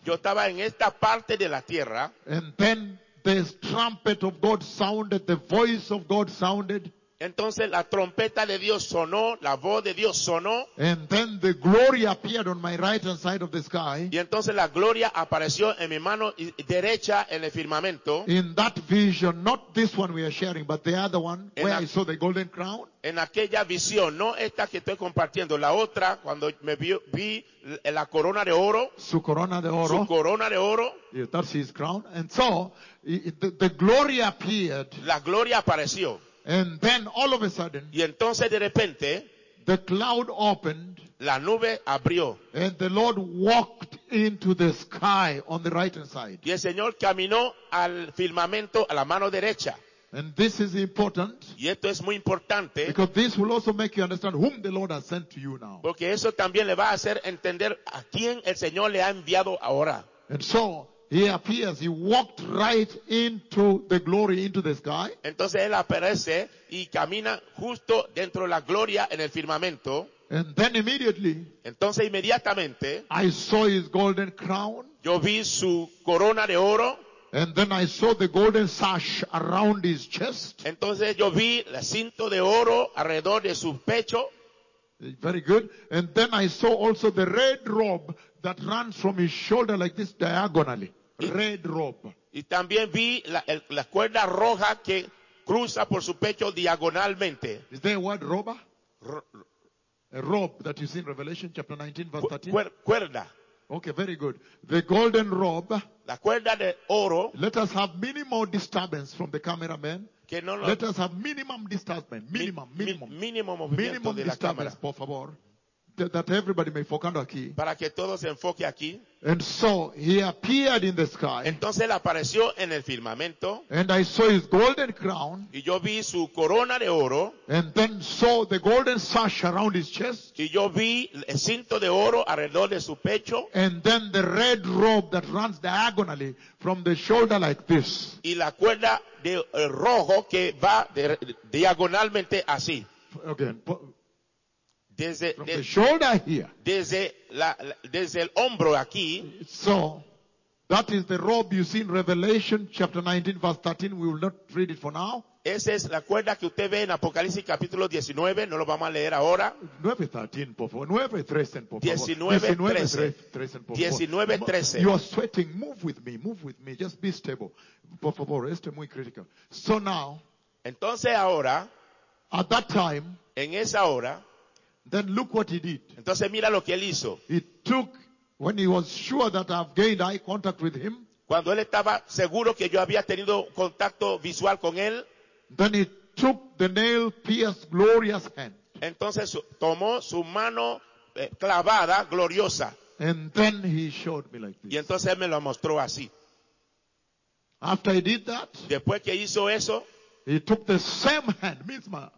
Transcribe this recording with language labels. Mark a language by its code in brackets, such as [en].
[es] Yo estaba en esta parte de la tierra. [en] And then the trumpet of God sounded, the voice of God sounded. [es] Entonces la trompeta de Dios sonó, la voz de Dios sonó. [en] And then the glory appeared on my right hand side of the sky. [es] Y entonces la gloria apareció en mi mano derecha en el firmamento. [en] In that vision, not this one we are sharing, but the other one where I saw the golden crown. [es] En aquella visión, no esta que estoy compartiendo, la otra cuando me vi la corona de oro. Su corona de oro. Su corona de oro. [en] Yeah, that's his crown. And so the glory appeared. [es] La gloria apareció. [en] And then all of a sudden, [es] y entonces de repente, [en] the cloud opened, [es] la nube abrió, [en] and the Lord walked into the sky on the right hand side. [es] Y el Señor caminó al firmamento a la mano derecha. [en] And this is important, [es] y esto es muy importante, [en] because this will also make you understand whom the Lord has sent to you now. [es] Porque eso también le va a hacer entender a quién el Señor le ha enviado ahora. [en] And so, he appears, he walked right into the glory, into the sky. [es] Entonces él aparece y camina justo dentro de la gloria en el firmamento. [en] And then immediately, [es] entonces inmediatamente, [en] I saw his golden crown. [es] Yo vi su corona de oro. [en] And then I saw the golden sash around his chest. [es] Entonces yo vi el cinto de oro alrededor de su pecho. [en] Very good. And then I saw also the red robe that runs from his shoulder like this diagonally. Red robe. [es] Y también vi la cuerda roja que cruza por su pecho diagonalmente. [en] Is there a word roba? A robe that you see in Revelation chapter 19 verse 13? [es] Cuerda. [en] Okay, very good. The golden robe. [es] La cuerda de oro. [en] Let us have minimal disturbance from the cameraman. [es] Que no lo, [en] let us have minimum disturbance. Minimum disturbance, [es] la cámara. Por favor. [en] That everybody may focus [es] aquí. Para que todos se enfoque aquí. [en] And so he appeared in the sky. [es] Entonces él apareció en el firmamento. [en] And I saw his golden crown. [es] Y yo vi su corona de oro. [en] And then saw the golden sash around his chest. [es] Y yo vi el cinto de oro alrededor de su pecho. [en] And then the red robe that runs diagonally from the shoulder like this. [es] Y la cuerda de rojo que va diagonalmente así. [en] Again. From the shoulder here. [es] Desde el hombro aquí. [en] So, that is the robe you see in Revelation chapter 19 verse 13. We will not read it for now. [es] Esa es la cuerda que usted ve en Apocalipsis capítulo 19. No lo vamos a leer ahora. 9:13, por favor. 9:13, por favor. 19:13. [en] You are sweating. Move with me. Move with me. Just be stable. [es] Por favor. Esto es muy crítico. [en] So now. [es] Entonces ahora. [en] At that time. [es] En esa hora. [en] Then look what he did. [es] Entonces mira lo que él hizo. [en] He took, when he was sure that I've gained eye contact with him. [es] Cuando él estaba seguro que yo había tenido contacto visual con él. [en] Then he took the nail-pierced glorious hand. [es] Entonces tomó su mano clavada, gloriosa. [en] And then he showed me like this. [es] Y entonces él me lo mostró así. [en] After he did that. [es] Después que hizo eso. [en] He took the same hand, [es] misma.